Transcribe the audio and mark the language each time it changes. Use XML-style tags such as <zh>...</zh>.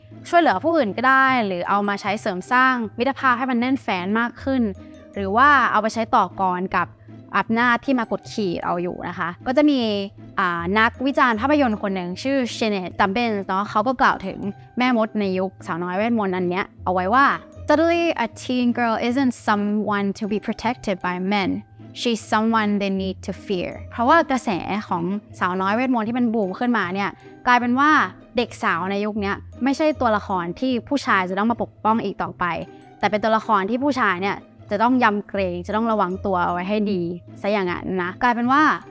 <th>ช่วยเหลือผู้อื่นก็ได้หรือเอามาใช้เสริมสร้างมิตรภาพให้มันแน่นแฟนมากขึ้นหรือว่าเอาไปใช้ต่อกรกับอำนาจที่มากดขี่เอาอยู่นะคะก็จะมีนักวิจารณ์ภาพยนตร์คนหนึ่งชื่อเชเนตตัมเบนเนาะเขาก็กล่าวถึงแม่มดในยุคสาวน้อยเวทมนต์อันเนี้ยเอาไว้ว่า</th> <en>Suddenly, a teen girl isn't someone to be protected by men. She's someone they need to fear.</en> <th>เพราะว่ากระแสของสาวน้อยเวทมนต์ที่มันบูมขึ้นมาเนี่ยกลายเป็นว่าเด็กสาวในยุคนี้ไม่ใช่ตัวละครที่ผู้ชายจะต้องมาปกป้องอีกต่อไปแต่เป็นตัวละครที่ผู้ชายเนี่ยจะต้องยำเกรงจะต้องระวังตัวไว้ให้ดีซะอย่างนั้นนะกลายเป็นว่า</th>